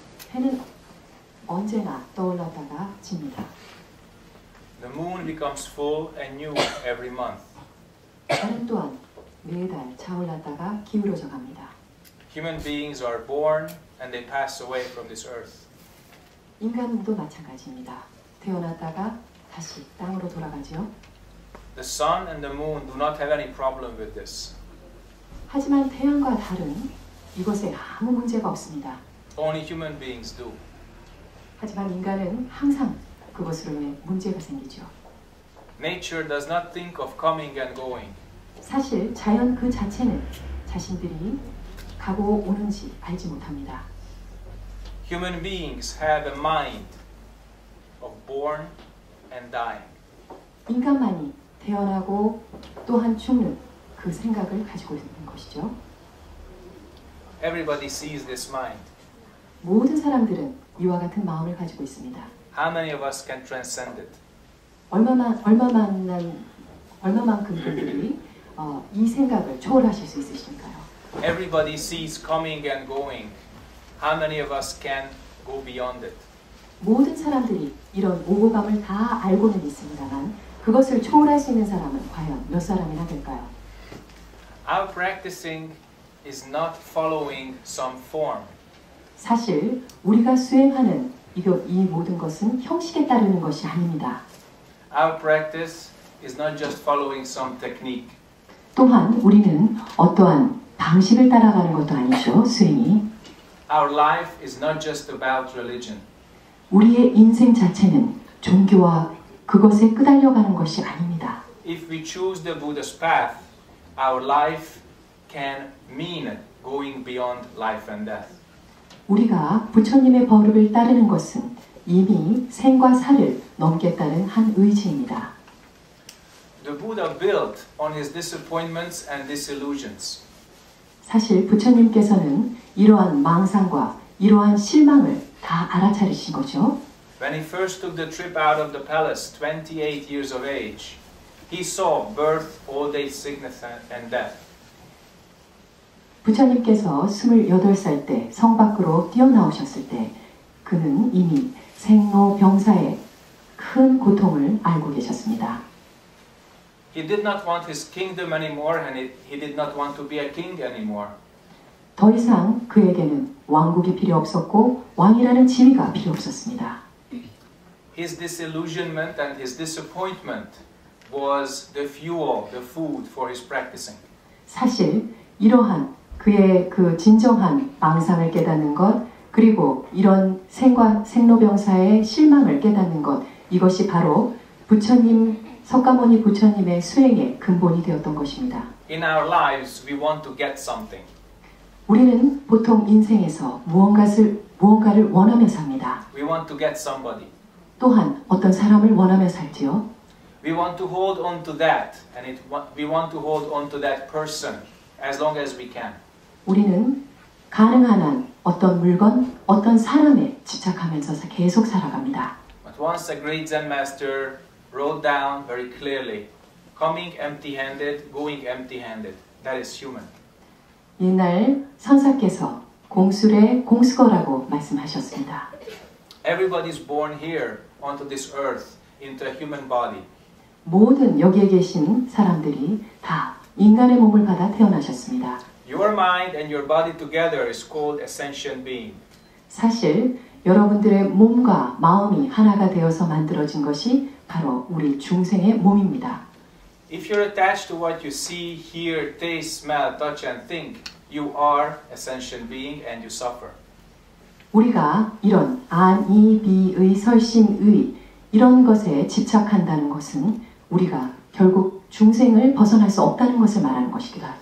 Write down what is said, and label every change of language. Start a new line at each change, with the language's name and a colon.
Korean: 해는 언제나 떠올랐다가 집니다.
English: The moon becomes full and new every month.
Korean: 해는 또한 매달 차올랐다가 기울어져 갑니다.
English: Human beings are born and they pass away from this earth.
Korean: 인간도 마찬가지입니다. 태어났다가 다시 땅으로 돌아가지요.
English: The sun and the moon do not have any problem with this.
Korean: 하지만 태양과 달은 이것에 아무 문제가 없습니다.
English: Only human beings do.
Korean: 하지만 인간은 항상 그것으로 인해 문제가 생기죠.
English: Nature does not think of coming and going.
Korean: 사실 자연 그 자체는 자신들이 가고 오는지 알지 못합니다.
English: Human beings have a mind of born and dying.
Korean: 인간만이 태어나고 또한 죽는 그 생각을 가지고 있는 것이죠.
English: Everybody sees this mind.
Korean: 모든 사람들은 이와 같은 마음을 가지고 있습니다.
English: How many of us can transcend it?
Korean: 얼마만큼 그들이 이 생각을 초월하실 수 있으신가요?
English: Everybody sees coming and going. How many of us can go beyond it?
Korean: 모든 사람들이 이런 오고 감을 다 알고는 있습니다만 그것을 초월할 수 있는 사람은 과연 몇 사람이나 될까요?
English: Our practicing is not following some form.
Korean: 사실 우리가 수행하는 이 모든 것은 형식에 따르는 것이 아닙니다.
English: Our practice is not just following some technique.
Korean: 또한 우리는 어떠한 방식을 따라가는 것도 아니죠, 수행이.
English: Our life is not just about religion.
Korean: 우리의 인생 자체는 종교와 그것에 끄달려가는 것이 아닙니다.
English: If we choose the Buddha's path, our life can mean going beyond life and death.
Korean: 우리가 부처님의 법을 따르는 것은 이미 생과 사를 넘겠다는 한 의지입니다.
English: The Buddha built on his disappointments and disillusions.
Korean: 사실 부처님께서는 이러한 망상과 이러한 실망을 다 알아차리신 거죠.
English: When he first took the trip out of the palace, 28 years of age, he saw birth, old age, sickness, and death.
Korean: 부처님께서 28살 때 성 밖으로 뛰어나오셨을 때 그는 이미 생로병사의 큰 고통을 알고 계셨습니다.
English: He did not want his kingdom anymore and he did not want to be a king anymore.
Korean: 더 이상 그에게는 왕국이 필요 없었고 왕이라는 지위가 필요 없었습니다.
English: His disillusionment and his disappointment was the fuel, the food for his practicing.
Korean: 사실 이러한 그의 그 진정한 망상을 깨닫는 것, 그리고 이런 생과 생로병사의 실망을 깨닫는 것, 이것이 바로 부처님, 석가모니 부처님의 수행의 근본이 되었던 것입니다.
English: In our lives, we want to get something.
Korean: 우리는 보통 인생에서 무언가를 원하며 삽니다.
English: We want to get somebody.
Korean: 또한 어떤 사람을 원하며 살지요.
English: We want to hold on to that, and we want to hold on to that person. As long as we can.
Korean: 우리는 가능한 한 어떤 물건, 어떤 사람에 집착하면서 계속 살아갑니다.
English: But once a great Zen master wrote down very clearly, coming empty-handed, going empty-handed. That is human.
Korean: 옛날 선사께서 공수의 공수거라고 말씀하셨습니다.
English: Everybody is born here onto this earth into a human body.
Korean: 모든 여기에 계신 사람들이 다 인간의 몸을 받아 태어나셨습니다.
English: Your mind and your body together is called a sentient being.
Korean: 사실 여러분들의 몸과 마음이 하나가 되어서 만들어진 것이 바로 우리 중생의 몸입니다.
English: If you're attached to what you see, hear, taste, smell, touch, and think, you are a sentient being and you suffer.
Korean: 우리가 이런 안, 이, 비의 설신, 의 이런 것에 집착한다는 것은 우리가 결국 중생을 벗어날 수 없다는 것을 말하는 것이기도 하죠.